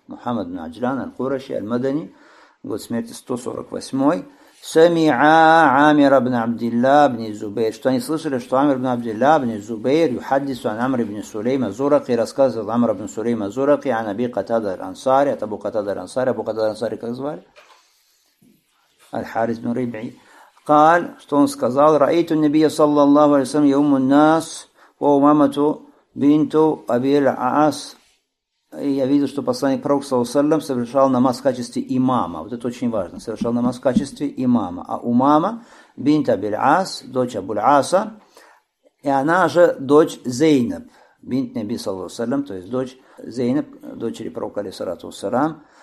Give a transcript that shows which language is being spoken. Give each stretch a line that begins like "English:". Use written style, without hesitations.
Russian: Мухаммад бн Аджлян, Аль-Кураши, Аль-Мадани, год смерти 148. Самиа Амир бн Абдилла бн Зубейр. Что они слышали, что Амир бн Абдилла бн Зубейр юхаддису ан Амр бн Сулейма Зураки, рассказывал Амр бн Сулейма Зураки ан Аби Катадар Ансари, от Абу Катадар Ансари. Абу Катадар Ансари как звали? Аль-Харис бн Риби.
Arabic: قال
Russian: что он сказал
Arabic: رأيت النبي صلى الله عليه وسلم يوم الناس وامامته بنت أبي العاص.
Russian: Я видел, что посланник пророка саллаллаху алейхи ва саллям совершал намаз в качестве имама. Вот это очень важно. Совершал намаз в качестве имама. А Умама бинт Аби аль-Ас, дочь Абу аль-Аса, и она же дочь Зейнаб бинт Наби саллаллаху алейхи ва саллям, то есть дочь Зейнаб, дочери пророка саллаллаху алейхи ва саллям.